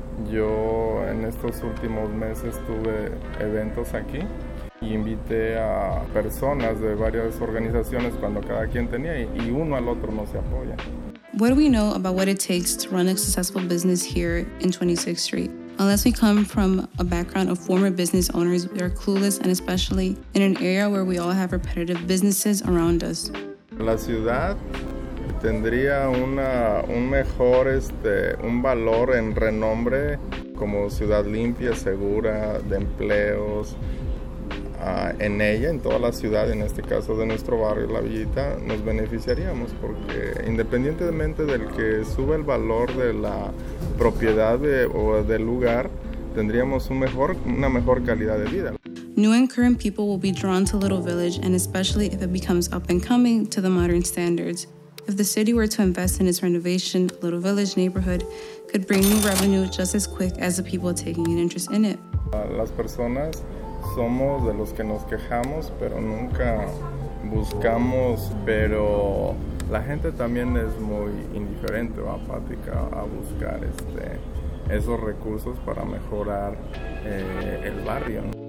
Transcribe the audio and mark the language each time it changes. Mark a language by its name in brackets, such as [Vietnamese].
[Spanish] Yo en estos últimos meses tuve eventos aquí y invité a personas de varias organizaciones cuando cada quien tenía y uno al otro no se apoya. [English] What do we know about what it takes to run a successful business here in 26th Street? Unless we come from a background of former business owners, we are clueless, and especially in an area where we all have repetitive businesses around us. [Spanish] La ciudad tendría un valor en renombre como ciudad limpia, segura, de empleos. En ella, en toda la ciudad, en este caso de nuestro barrio, La Villita, nos beneficiaríamos porque independientemente del que suba el valor de la propiedad o del lugar, tendríamos una mejor calidad de vida. [English] New and current people will be drawn to Little Village, and especially if it becomes up and coming to the modern standards. If the city were to invest in its renovation, Little Village neighborhood could bring new revenue just as quick as the people taking an interest in it. [Spanish] Las personas somos de los que nos quejamos, pero nunca buscamos, pero la gente también es muy indiferente o apática a buscar esos recursos para mejorar el barrio.